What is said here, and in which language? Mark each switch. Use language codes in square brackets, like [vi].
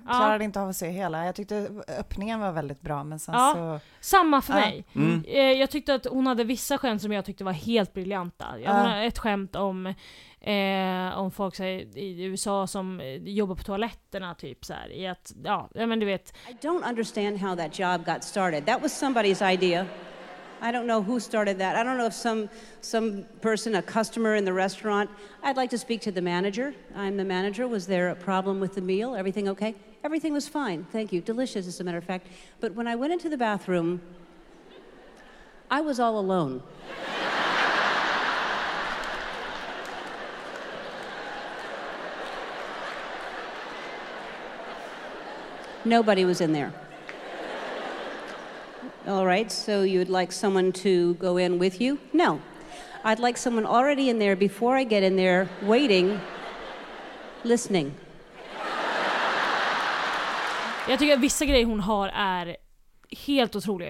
[sv] Klarade inte av att se hela. Jag tyckte öppningen var väldigt bra. Men sen samma för mig. Mm. Jag tyckte att hon hade vissa skämt som jag tyckte var helt briljanta. Jag hade ett skämt om folk säger i USA som jobbar på toaletterna typ så här, i att ja men du vet [en] I don't understand how that job got started. That was somebody's idea. I don't know who started that. I don't know if some person, a customer in the restaurant. I'd like to speak to the manager. I'm the manager. Was there a problem with the meal? Everything okay? Everything was fine. Thank you. Delicious as a matter of fact. But when I went into the bathroom I was all alone. Nobody was in there. All right, so you'd like someone to go in with you? No. I'd like someone already in there before I get in there, waiting, listening. [sv] Jag tycker att vissa grejer hon har är helt otroliga.